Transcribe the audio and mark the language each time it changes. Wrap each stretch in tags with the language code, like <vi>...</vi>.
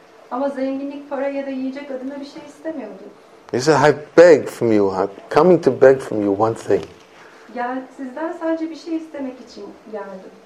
<tr>Ama zenginlik, para ya da yiyecek adına bir şey istemiyordu.</tr> <en>He said, I beg from you, I'm coming to beg from you one thing.</en> <tr>Gel, sizden sadece bir şey istemek için geldim.</tr>